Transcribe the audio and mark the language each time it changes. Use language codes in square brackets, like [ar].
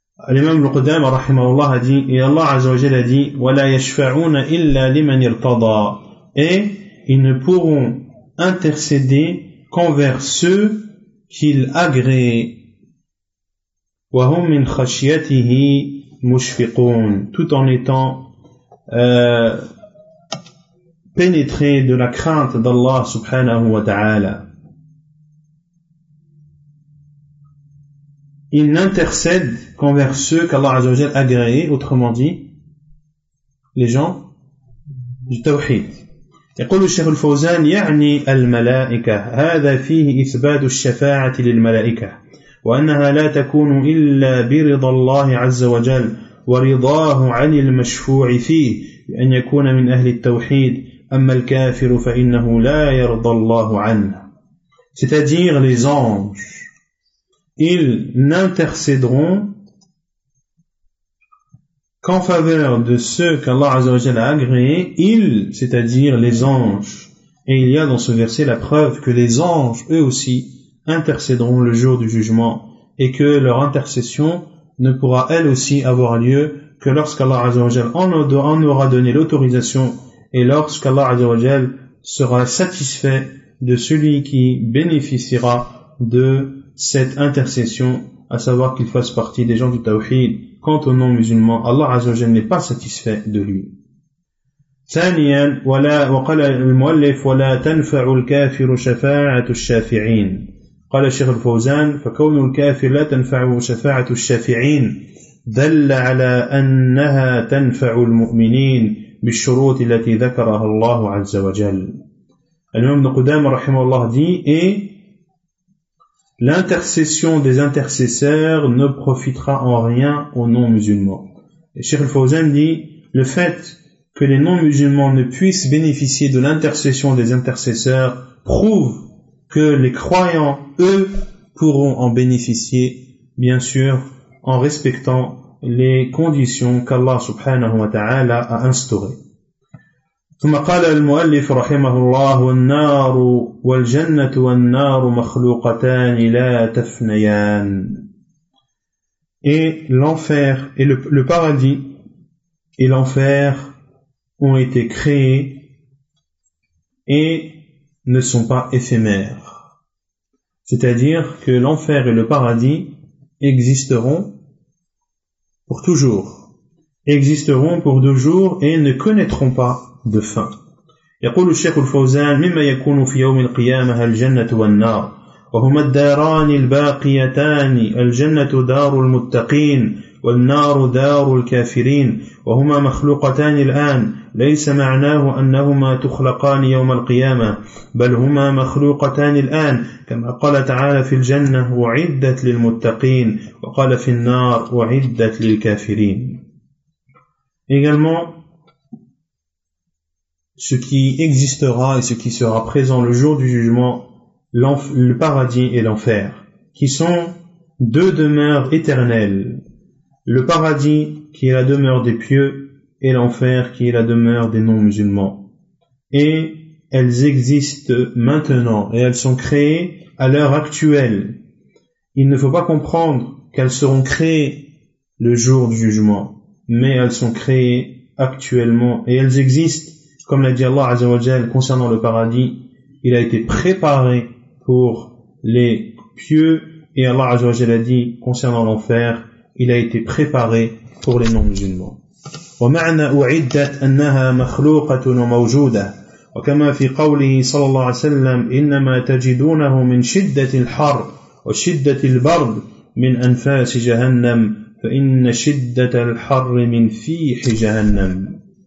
[ar] الإمام القدامى رحمه الله دي إلى الله عز وجل دي ولا يشفعون إلا لمن ارتضى [fr] et ils ne pourront intercéder qu'envers ceux qu'ils agréent [ar] وهم من خشيته مشفقون [fr] tout en étant pénétré de la crainte d'Allah subhanahu wa ta'ala. Il n'intercède qu'envers ceux qu'Allah Azza wa Jalla agréé, autrement dit, les gens du tawhid. [ar] يقول الشيخ الفوزان يعني الملائكة هذا فيه إثبات الشفاعة للملائكة وأنها لا تكون إلا برضا الله عز وجل ورضاه عن المشفوع فيه بأن يكون من أهل التوحيد أما الكافر فإنه لا يرضى الله عنه. [fr] C'est-à-dire les anges, ils n'intercéderont qu'en faveur de ceux qu'Allah Azza wa Jalla a agréés, ils, c'est-à-dire les anges. Et il y a dans ce verset la preuve que les anges, eux aussi, intercéderont le jour du jugement et que leur intercession ne pourra elle aussi avoir lieu que lorsqu'Allah Azza wa Jal en aura donné l'autorisation et lorsqu'Allah Azza wa Jal sera satisfait de celui qui bénéficiera de cette intercession, à savoir qu'il fasse partie des gens du Tawhid. Quant aux non-musulmans, Allah Azza wa Jal n'est pas satisfait de lui. [ar] ثانيا ولا وقال المؤلف ولا تنفع الكافر شفاعة الشافعين قال الشيخ الفوزان فكون الكافر لا تنفع شفاعة الشافعين دل على أنها تنفع المؤمنين بالشروط التي ذكرها الله عز وجل. الإمام ابن قدامة رحمه الله [fr] dit l'intercession des intercesseurs ne profitera en rien aux non-musulmans. الشيخ الفوزان dit le fait que les non-musulmans ne puissent bénéficier de l'intercession des intercesseurs prouve que les croyants, eux, pourront en bénéficier, bien sûr, en respectant les conditions qu'Allah subhanahu wa ta'ala a instaurées. [ar] ثم قال المؤلف رحمه الله النار والجنة والنار مخلوقتان لا تفنيان. [fr] Et l'enfer et le paradis et l'enfer ont été créés et ne sont pas éphémères. C'est-à-dire que l'enfer et le paradis existeront pour toujours. Existeront pour toujours et ne connaîtront pas de fin. [ar] يقول الشيخ الفوزان مما يكون في يوم القيامة الجنة والنار وهما الداران الباقيتان الجنة دار المتقين والنار دار الكافرين وهما مخلوقتان الآن ليس معناه أنهما تخلقان يوم القيامة بل هما مخلوقتان الآن كما قال تعالى في الجنة وعدت للمتقين وقال في النار وعدت للكافرين. [fr] Également, ce qui existera et ce qui sera présent le jour du jugement, le paradis et l'enfer, qui sont deux demeures éternelles. Le paradis qui est la demeure des pieux et l'enfer qui est la demeure des non-musulmans. Et elles existent maintenant et elles sont créées à l'heure actuelle. Il ne faut pas comprendre qu'elles seront créées le jour du jugement, mais elles sont créées actuellement et elles existent, comme l'a dit Allah Azza wa Jal concernant le paradis, il a été préparé pour les pieux et Allah Azza wa Jal a dit concernant l'enfer, il a été préparé pour les non-musulmans. [ar] ومعنى أعدت أنها مخلوقة وموجودة وكما في قوله صلى الله عليه وسلم إنما تجدونه من شدة الحر وشدة البرد من أنفاس جهنم فإن شدة الحر من فيح جهنم